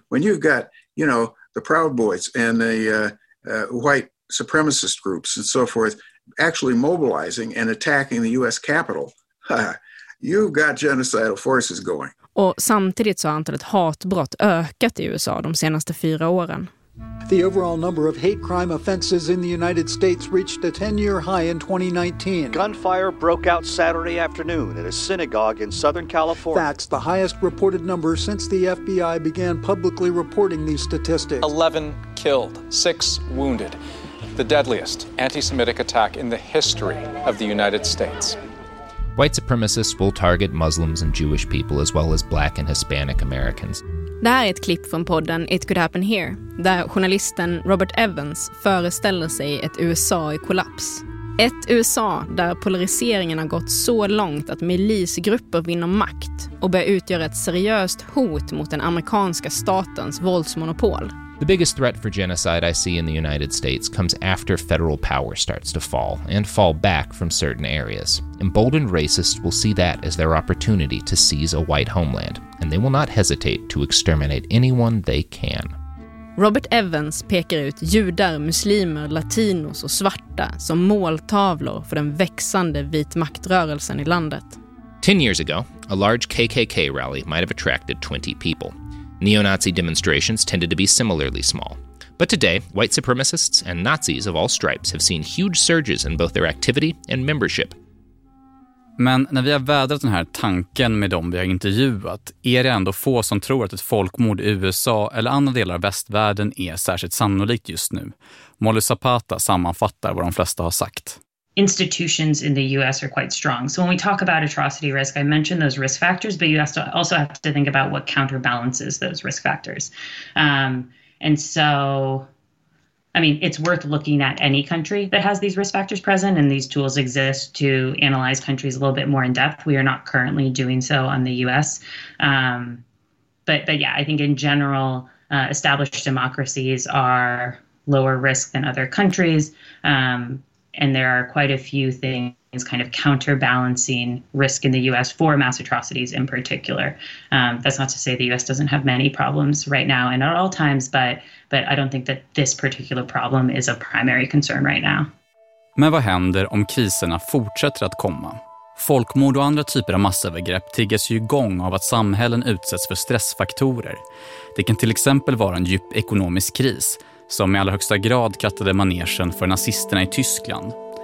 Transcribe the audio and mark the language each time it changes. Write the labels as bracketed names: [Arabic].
[English] When you got, you know, the Proud Boys and the white supremacist groups and so forth actually mobilizing and attacking the US Capitol. You got genocidal forces going. [Swedish] Och samtidigt så har antalet hatbrott ökat i USA de senaste 4 åren. [English] The overall number of hate crime offenses in the United States reached a 10-year high in 2019. Gunfire broke out Saturday afternoon at a synagogue in Southern California. That's the highest reported number since the FBI began publicly reporting these statistics. 11 killed, 6 wounded. The deadliest anti-Semitic attack in the history of the United States. White supremacists will target Muslims and Jewish people as well as black and Hispanic Americans. [Swedish] Det här är ett klipp från podden It Could Happen Here, där journalisten Robert Evans föreställer sig ett USA i kollaps. Ett USA där polariseringen har gått så långt att milisgrupper vinner makt och börjar utgöra ett seriöst hot mot den amerikanska statens våldsmonopol. [English] The biggest threat for genocide I see in the United States comes after federal power starts to fall and fall back from certain areas. Emboldened racists will see that as their opportunity to seize a white homeland, and they will not hesitate to exterminate anyone they can. [Swedish] Robert Evans pekar ut judar, muslimer, latinos och svarta som måltavlor för den växande vitmaktrörelsen i landet. [English] 10 years ago, a large KKK rally might have attracted 20 people. Neo-Nazi demonstrations tended to be similarly small. But today, white supremacists and Nazis of all stripes have seen huge surges in both their activity and membership. [Swedish] Men när vi har vädrat den här tanken med dem vi har intervjuat, är det ändå få som tror att ett folkmord i USA eller andra delar av västvärlden är särskilt sannolikt just nu. Molly Zapata sammanfattar vad de flesta har sagt. [English] Institutions in the US are quite strong. So when we talk about atrocity risk, I mentioned those risk factors, but you also have to think about what counterbalances those risk factors. It's worth looking at any country that has these risk factors present, and these tools exist to analyze countries a little bit more in depth. We are not currently doing so on the US. I think in general, established democracies are lower risk than other countries. And there are quite a few things kind of counterbalancing risk in the US for mass atrocities in particular. That's not to say the US doesn't have many problems right now and at all times, but I don't think that this particular problem is a primary concern right now. [Swedish] Men vad händer om kriserna fortsätter att komma? Folkmord och andra typer av massövergrepp triggas ju igång av att samhällen utsätts för stressfaktorer. Det kan till exempel vara en djup ekonomisk kris som i allra högsta grad krattade manegen för nazisterna i Tyskland.